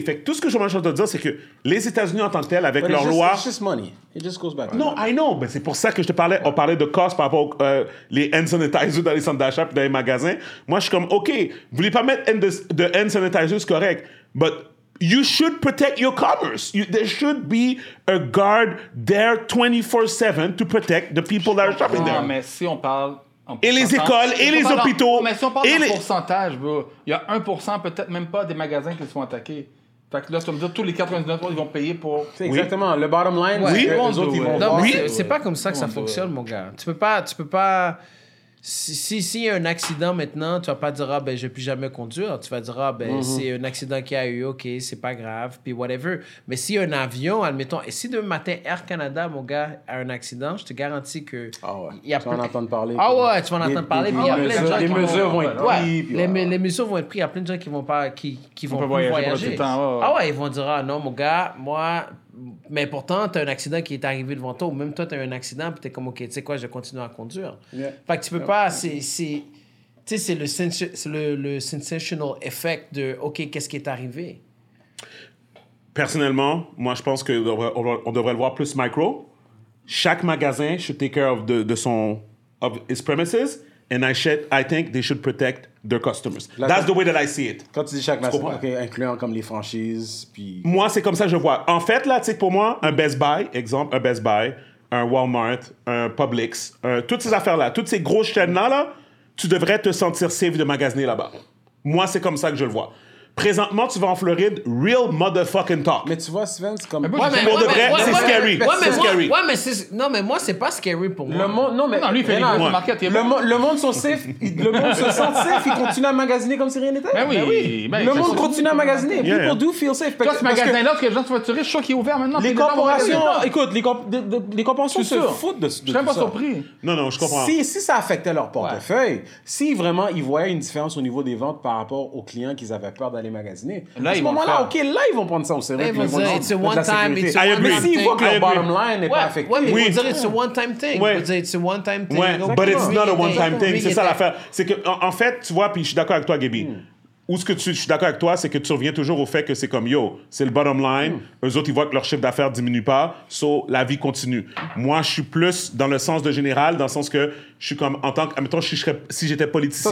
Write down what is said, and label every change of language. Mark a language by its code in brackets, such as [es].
[fr] Fait que tout ce que je m'en chante de dire, c'est que les États-Unis en tant que tel, avec leur loi... [en] It's just money. It just goes back. No, I know. [fr] Mais c'est pour ça que je te parlais. On parlait de cost par rapport aux les hand sanitizers dans les centres d'achat puis dans les magasins. Moi, je suis comme, OK, vous voulez pas mettre de hand sanitizers, c'est correct. [en] But... You should protect your commerce. There should be a guard there 24/7 to protect the people that are shopping there. [fr] Mais si on parle et les écoles et les hôpitaux. Mais si on parle en pourcentage, bro, il y a 1% peut-être même pas des magasins qui sont attaqués. Fait que là, tu vas me dire tous les 99 ils vont payer pour. C'est exactement. Le bottom line, c'est que les autres, ils vont voir. C'est pas comme ça que ça fonctionne, mon gars. Tu peux pas. Si y a un accident maintenant, tu vas pas dire ben je vais plus jamais conduire. Tu vas dire c'est un accident qui a eu, ok, c'est pas grave, puis whatever. Mais si y a un avion, admettons, et si demain matin Air Canada, mon gars, a un accident, je te garantis que tu vas en entendre parler. Les mesures vont être prises, il y a plein de gens qui vont pas voyager. Ah ouais, ils vont dire non, mon gars, moi. Mais pourtant, t'as un accident qui est arrivé devant toi, ou même toi, t'as eu un accident, puis t'es comme, OK, tu sais quoi, je continue à conduire. Yeah. Fait que tu peux pas, c'est le sensational effect de, OK, qu'est-ce qui est arrivé? Personnellement, moi, je pense qu'on devrait le voir plus micro. Chaque magasin [en] should take care of his premises, and I think they should protect their customers. That's the way that I see it. [fr] Quand tu dis chaque magasin, okay, incluant comme les franchises, puis... Moi, c'est comme ça que je vois. En fait, là, tu sais, pour moi, un Best Buy, exemple, un Best Buy, un Walmart, un Publix, toutes ces affaires-là, toutes ces grosses chaînes-là, là, tu devrais te sentir safe de magasiner là-bas. Moi, c'est comme ça que je le vois. Présentement, tu vas en Floride, [en] real motherfucking talk. [fr] Mais tu vois, Sven, c'est comme... Pour de vrai, c'est scary. Ouais, mais c'est... Non, mais moi, c'est pas scary pour moi. Le monde... Le monde sont safe. Le monde se sent safe. Ils continuent à magasiner comme si rien n'était. Le monde continue à magasiner. [en] People do feel safe. [fr] Toi, ce magasin-là, parce que les gens sont futuristes, je crois qu'il est ouvert maintenant. Les corporations... Écoute, les corporations se foutent de ça. Je suis même pas surpris. Non, je comprends. Si ça affectait leur portefeuille, si vraiment ils voyaient une différence au niveau des ventes par rapport aux clients qu'ils avaient peur d'aller magasiner. Là, à ce moment-là, OK, là, ils vont prendre ça au sérieux. Ils vont dire, [en] it's a one-time thing. [fr] Mais s'ils voient que leur bottom line n'est pas affecté. Oui, ils vont dire, [en] it's a one-time thing. But it's not a one-time thing. [fr] C'est ça l'affaire. C'est que, en fait, tu vois, puis je suis d'accord avec toi, Gaby. Je suis d'accord avec toi, c'est que tu reviens toujours au fait que c'est comme, yo, c'est le bottom line. Eux autres, ils voient que leur chiffre d'affaires diminue pas. So, la vie continue. Moi, je suis plus dans le sens de général, dans le sens que je suis comme, en tant que, admettons, si j'étais politicien.